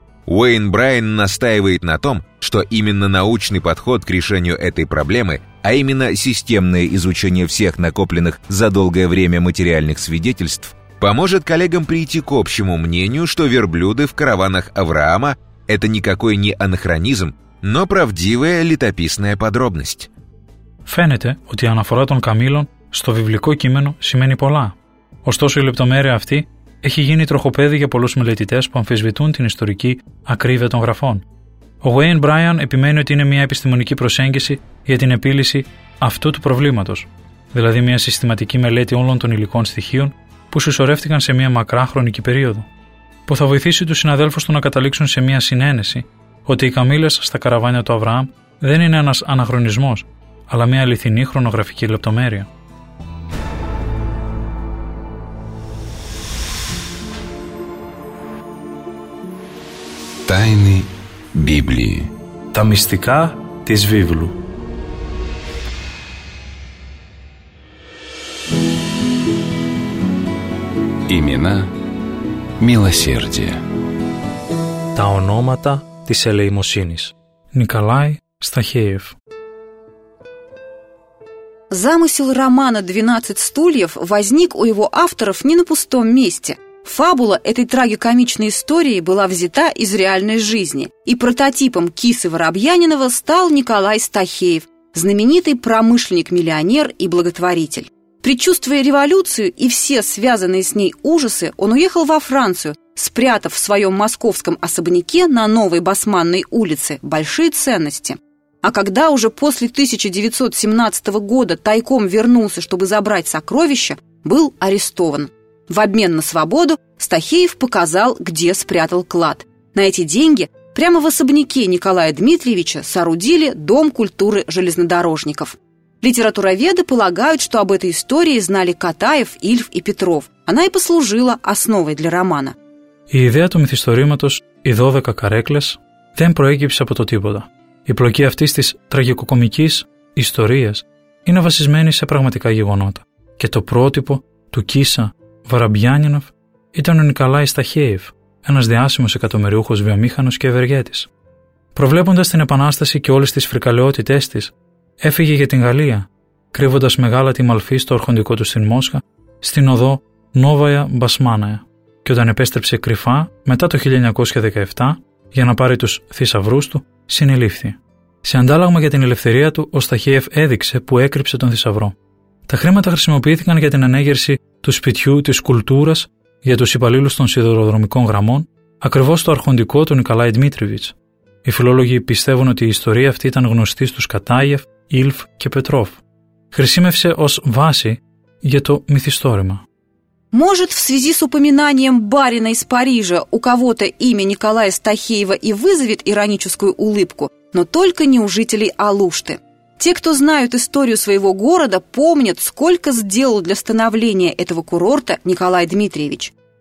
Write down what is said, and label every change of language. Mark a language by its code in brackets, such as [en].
[ru] Уэйн Брайан настаивает на том, что именно научный подход к решению этой проблемы, а именно системное изучение всех накопленных за долгое время материальных свидетельств, поможет коллегам прийти к общему мнению, что верблюды в караванах Авраама это никакой не анахронизм, но правдивая летописная подробность. [el] Φαίνεται ότι η αναφορά των καμήλων στο βιβλικό κείμενο σημαίνει πολλά. Ωστόσο, η λεπτομέρεια αυτή έχει γίνει τροχοπέδι για πολλούς μελετητές που αμφισβητούν την ιστορική ακρίβεια των γραφών. Ο Wayne Bryan επιμένει ότι είναι μια επιστημονική προσέγγιση για την επίλυση αυτού του προβλήματος, δηλαδή μια συστηματική μελέτη όλων των υλικών στοιχείων που συσσωρεύτηκαν σε μια μακρά χρονική περίοδο. Που θα βοηθήσει τους συναδέλφους του να καταλήξουν σε μια συνένεση ότι οι καμήλες στα καραβάνια του Αβραάμ δεν είναι ένας αναχρονισμός, αλλά μια αληθινή χρονογραφική λεπτομέρεια. Τάινη Βίβλη. Τα μυστικά της Βίβλου. Ημινά. Милосердие. Τα ονόματα της ελεημοσύνης. [ru] Николай Стахеев. Замысел романа «12 стульев» возник у его авторов не на пустом месте. Фабула этой трагикомичной истории была взята из реальной жизни, и прототипом кисы Воробьянинова стал Николай Стахеев, знаменитый промышленник-миллионер и благотворитель. Предчувствуя революцию и все связанные с ней ужасы, он уехал во Францию, спрятав в своем московском особняке на Новой Басманной улице большие ценности. А когда уже после 1917 года тайком вернулся, чтобы забрать сокровища, был арестован. В обмен на свободу Стахеев показал, где спрятал клад. На эти деньги прямо в особняке Николая Дмитриевича соорудили Дом культуры железнодорожников. Литературоведы полагают, что об этой истории знали Катаев, Ильф и Петров. Она и послужила основой для романа. [el] Η ιδέα του μυθιστορήματος «Οι 12 καρέκλες» δεν προέκυψε από το τίποτα. Η πλοκή αυτής της τραγικοκομικής ιστορίας είναι βασισμένη σε πραγματικά γεγονότα. Και το πρότυπο του Κίσα Βαραμπιάνινοφ ήταν ο Νικολάη Σταχέιεφ, ένας διάσημος εκατομμυριούχος βιομήχανος και ευεργέτης. Προβλέποντας την επανάσταση και όλες τις φρικαλαιότητές της, έφυγε για την Γαλλία, κρύβοντας μεγάλα τη μαλφή στο αρχοντικό του στην Μόσχα, στην οδό Νόβαια Μπασμάναια, και όταν επέστρεψε κρυφά μετά το 1917 για να πάρει τους θησαυρούς του, συνελήφθη. Σε αντάλλαγμα για την ελευθερία του, ο Σταχίεφ έδειξε που έκρυψε τον θησαυρό. Τα χρήματα χρησιμοποιήθηκαν για την ανέγερση του σπιτιού της κουλτούρας για τους υπαλλήλους των σιδηροδρομικών γραμμών, ακριβώς στο αρχοντικό του Νικολάη Δημήτριβιτς. Οι φιλόλογοι πιστεύουν ότι η ιστορία αυτή ήταν γνωστή στους Κατάγεφ, Ήλφ και Πετρόφ. Χρησίμευσε ως βάση για το μυθιστόρημα. [ru] Может, в связи с упоминанием барина из Парижа у кого-то имя Николая Стахеева и вызовет ироническую улыбку, но только не у жителей Алушты. Те, кто знают историю своего города, помнят, сколько сделал для становления этого курорта Николай Дмитриевич.